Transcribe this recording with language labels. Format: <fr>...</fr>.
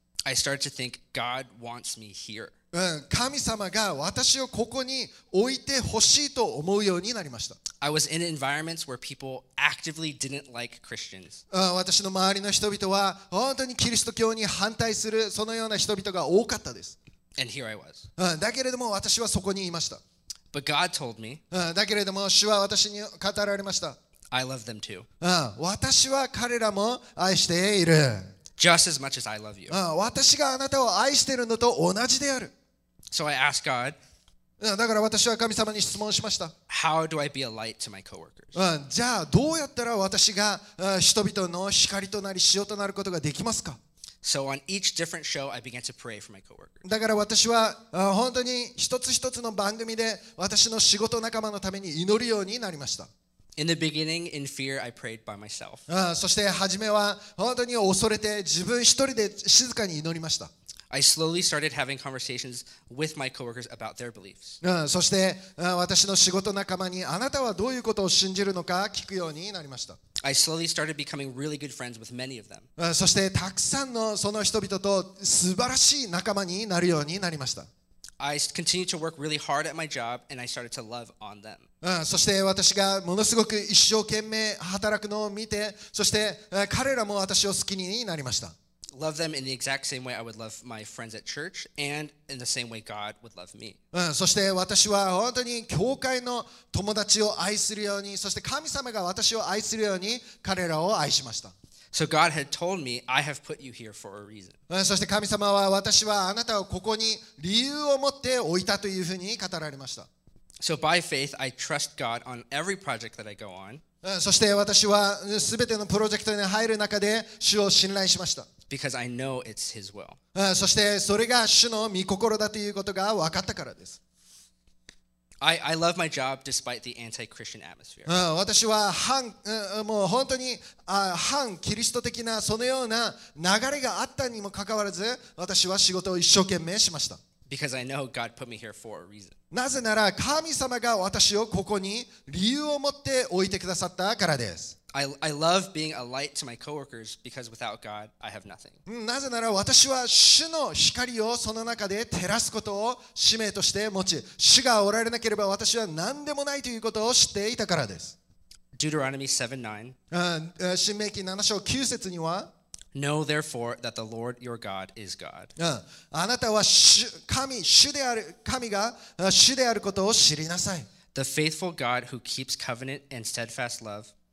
<en>I started to think, God wants me here.</en> <ja>神様が私をここに置いてほしいと思うようになりました。</ja> <en>I was in environments where people actively didn't like Christians.</en> <ja>私の周りの人々は本当にキリスト教に反対するそのような人々が多かったです。</ja> <en>And here I was.</en> <ja>だけれども私はそこにいました。</ja> <en>But God told me.</en> <ja>だけれども主は私に語られました。</ja> <en>I love them too.</en> <ja>私は彼らも愛している。</ja> <en>Just as much as I love you.</en> <ja>私があなたを愛しているのと同じである。</ja> <en>So I asked God.</en> <ja>だから私は神様に質問しました。</ja> <en>How do I be a light to my coworkers?</en> <ja>じゃあどうやったら私が人々の光となり塩となることができますか。</ja> <en>So on each different show, I began to pray for my coworkers.</en> <ja>だから私は本当に一つ一つの番組で私の仕事仲間のために祈るようになりました。</ja> <en>In the beginning, in fear, I prayed by myself.</en> <ja>そして初めは本当に恐れて自分一人で静かに祈りました。</ja> <en>I slowly started having conversations with my coworkers about their beliefs.</en> <ja>そして私の仕事仲間にあなたはどういうことを信じるのか聞くようになりました。</ja> <en>I slowly started becoming really good friends with many of them.</en> <ja>そしてたくさんのその人々と素晴らしい仲間になるようになりました。</ja> <en>I continued to work really hard at my job and I started to love on them.</en> <ja>そして私がものすごく一生懸命働くのを見て、そして彼らも私を好きになりました。</ja> <en>Love them in the exact same way I would love my friends at church and in the same way God would love me.</en> <ja>そして私は本当に教会の友達を愛するように、そして神様が私を愛するように彼らを愛しました。</ja> <en>So God had told me, I have put you here for a reason.</en> <ja>そして神様は私はあなたをここに理由を持って置いたというふうに語られました。</ja> <en>So by faith, I trust God on every project that I go on.</en> <ja>そして私は全てのプロジェクトに入る中で主を信頼しました。</ja> <en>Because I know it's His will.</en> <ja>そしてそれが主の御心だということが分かったからです。</ja> <en>I love my job despite the anti-Christian atmosphere.</en> <ja>私は反もう本当に反キリスト的なそのような流れがあったにもかかわらず、私は仕事を一生懸命しました。</ja> <en>Because I know God put me here for a reason.</en> <ja>なぜなら神様が私をここに理由を持って置いてくださったからです。</ja> <en>I love being a light to my coworkers because without God, I have nothing.</en> <ja>なぜなら私は主の光をその中で照らすことを使命として持ち、主がおられなければ私は何でもないということを知っていたからです。</ja> <en>Deuteronomy 7:9.</en> <ja>申命記7章9節には、</ja> <en>Know therefore that the Lord your God is God.</en> <ja>あなたは神が主であることを知りなさい。</ja> <en>The faithful God who keeps covenant and steadfast love.</en>